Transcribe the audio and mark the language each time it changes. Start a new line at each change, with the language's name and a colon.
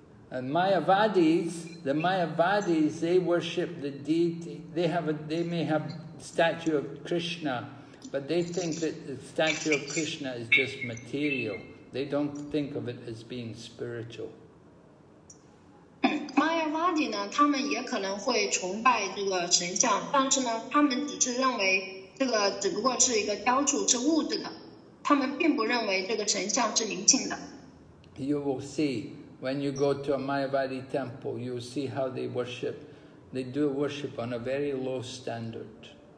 English: And Mayavadis, the Mayavadis, they worship the deity. They may have statue of Krishna, but they think that the statue of Krishna is just material. They don't think of it as being spiritual.
Chinese: Mayavadi 呢，他们也可能会崇拜这个神像，但是呢，他们只是认为这个只不过是一个雕塑，是物质的，他们并不认为这个神像是灵性的。
English: You will see. When you go to a Mayavadi temple, you see how they worship. They do worship on a very low standard.